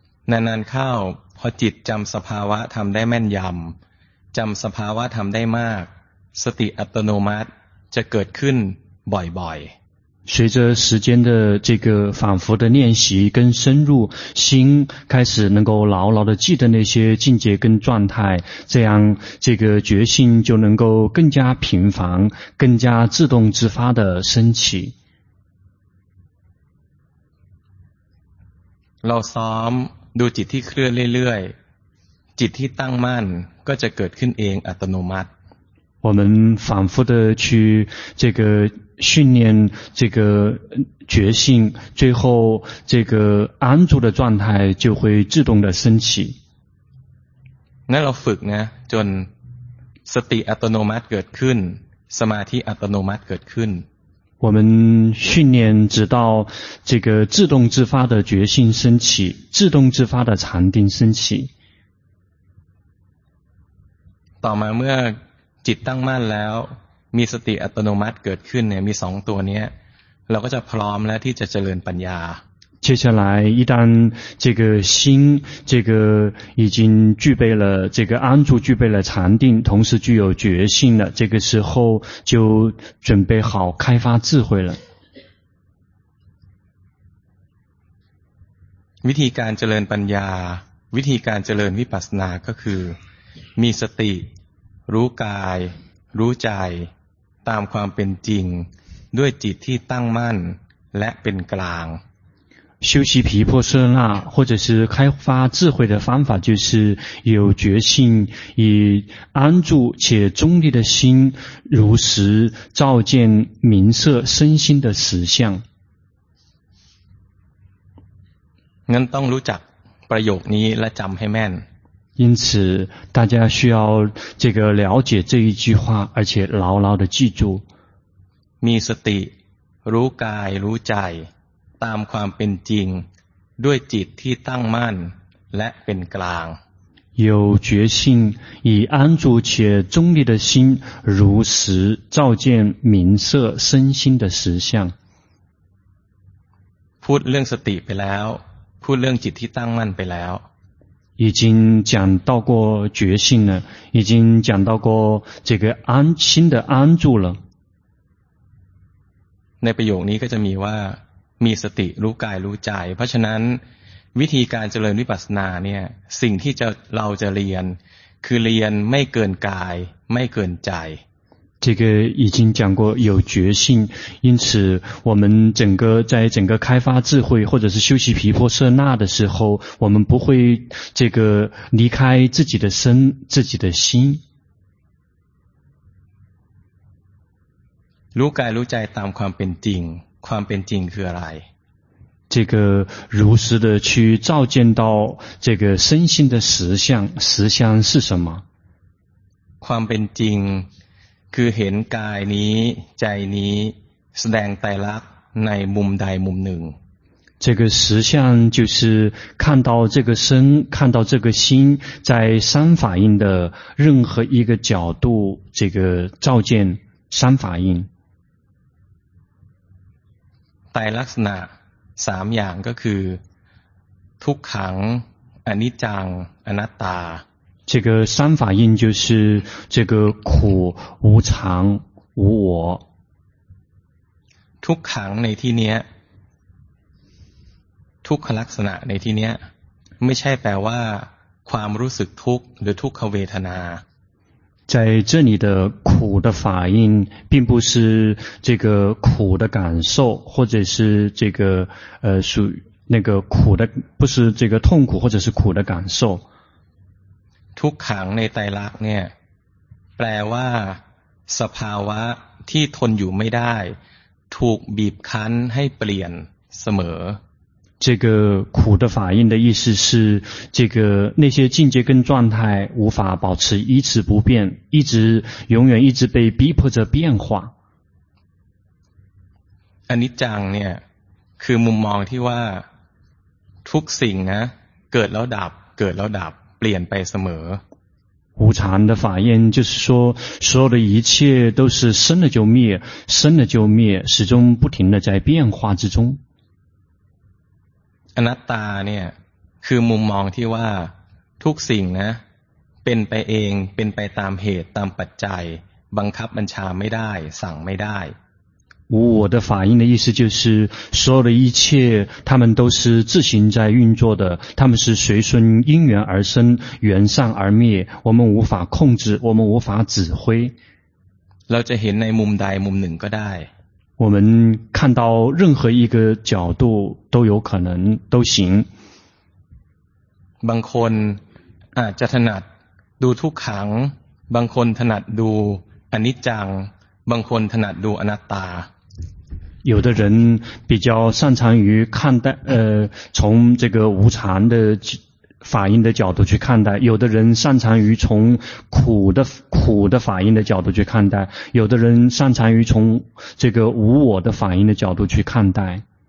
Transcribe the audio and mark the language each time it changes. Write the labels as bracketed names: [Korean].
[Thai] นานๆเข้าพอจิตจำสภาวะทำได้แม่นยำจำสภาวะทำได้มากสติอัตโนมัติจะเกิดขึ้นบ่อยๆ [Chinese] 随着时间的这个反复的练习跟深入，心开始能够牢牢的记得那些境界跟状态，这样这个觉性就能够更加频繁，更加自动自发的升起。 [Thai] เราซ้อมดูจิตที่เคลื่อนเรื่อยๆจิตที่ตั้งมั่นก็จะเกิดขึ้นเองอัตโนมัติ [Chinese] 我们反复的去这个训练这个觉性，最后这个安住的状态就会自动的升起。那我 [Thai] ฝึกนะจนสติอัตโนมัติเกิดขึ้นสมาธิอัตโนมัติเกิดขึ้น [Chinese] 我们训练直到这个自动自发的觉性升起，自动自发的禅定升起。 [Thai] ต่อมาเมื่อจิตตั้งมั่นแล้วมีสติอัตโนมัติเกิดขึ้นเนี่ยมีสองตัวนี้เราก็จะพร้อมแล้วที่จะเจริญปัญญา [Chinese] 接下来一旦这个心这个已经具备了这个安住具备了禅定同时具有觉性了这个时候就准备好开发智慧了 [Thai] วิธีการเจริญปัญญาวิธีการเจริญวิปัสสนาก็คือมีสติรู้กายรู้ใจตามความเป็นจริงด้วยจิตที่ตั้งมั่นและเป็นกลาง [Chinese] 修习毗婆舍那或者是开发智慧的方法就是有觉性以安住且中立的心如实照见明色身心的实相 [Thai] งั้นต้องรู้จักประโยคนี้และจำให้แม่น [Chinese] 因此大家需要这个了解这一句话而且牢牢的记住 [Thai] มีสติรู้กายรู้ใจตามความเป็นจริงด้วยจิตที่ตั้งมั่นและเป็นกลาง [Chinese] 有觉性以安住且中立的心如实照见明色身心的实相 [Thai] พูดเรื่องสติไปแล้วพูดเรื่องจิตที่ตั้งมั่นไปแล้ว [Chinese] 已经讲到过觉性了，已经讲到过这个安心的安住了。 [Thai] ในประโยคนี้ก็จะมีว่ามีสติรู้กายรู้ใจเพราะฉะนั้นวิธีการเจริญวิปัสสนาเนี่ยสิ่งที่เราจะเรียนคือเรียนไม่เกินกายไม่เกินใจ [Chinese] 这个已经讲过有觉性因此我们整个在整个开发智慧或者是修习毗婆舍那的时候我们不会这个离开自己的身自己的心 [Thai] รู้กายรู้ใจตามความเป็นจริงความเป็นจริงคืออะไร [Chinese] 这个如实的去照见到这个身心的实相实相是什么 [Thai] ความเป็นจริงคือเห็นกายนี้ใจนี้แสดงไตรลักษณ์ในมุมใดมุมหนึ่ง [Chinese] 这个实相就是看到这个身看到这个心在三法印的任何一个角度这个照见三法印 [Thai] ไตรลักษณะสามอย่างก็คือทุกขังอนิจจังอนัตตา [Chinese] 这个三法印就是这个苦无常无我 [Thai] ทุกขังในที่นี้ทุกขลักษณะในที่นี้ไม่ใช่แปลว่าความรู้สึกทุกข์หรือทุกขเวทนา [Chinese] 在这里的苦的法印并不是这个苦的感受或者是这个属那个苦的不是这个痛苦或者是苦的感受 [Thai] ทุกขังในไตรลักษณ์เนี่ยแปลว่าสภาวะที่ทนอยู่ไม่ได้ ถูกบีบคั้นให้เปลี่ยนเสมอ [Chinese] 这个苦的法印的意思是，这个那些境界跟状态无法保持一直不变，一直永远一直被逼迫着变化。 [Thai] อนิจจังเนี่ยคือมุมมองที่ว่าทุกสิ่งนะเกิดแล้วดับเกิดแล้วดับเปลี่ยนไปเสมอ [Chinese] 无常的法印就是说所有的一切都是生了就灭生了就灭始终不停的在变化之中 [Thai] อนัตตาเนี่ยคือมุมมองที่ว่าทุกสิ่งนะเป็นไปเองเป็นไปตามเหตุตามปัจจัยบังคับบัญชาไม่ได้สั่งไม่ได้ [Chinese] 我的法印的意思就是所有的一切他们都是自行在运作的他们是随顺因缘而生缘上而灭我们无法控制我们无法指挥 [Thai] เราจะเห็นในมุมใดมุมหนึ่งก็ได้ [Chinese] 我们看到任何一个角度都有可能都行 [Thai] บางคนอาจจะถนัดดูทุกขังบางคนถนัดดูอนิจจังบางคนถนัดดูอนัตตา [Chinese] 有的人比较擅长于看待从这个无常的法印的角度去看待有的人擅长于从苦的法印的角度去看待有的人擅长于从这个无我的法印的角度去看待